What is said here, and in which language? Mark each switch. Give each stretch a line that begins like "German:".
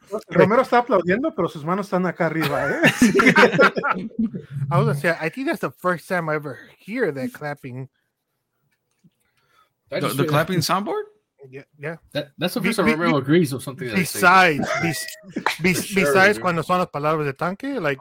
Spanish: Romero está aplaudiendo, pero sus manos están acá arriba, ¿eh?
English: I was going to say, I think that's the first time I ever hear that clapping. The clapping soundboard? Yeah. That's the first time Romero agrees or something. Besides,
Spanish: cuando son las palabras de tanque, like...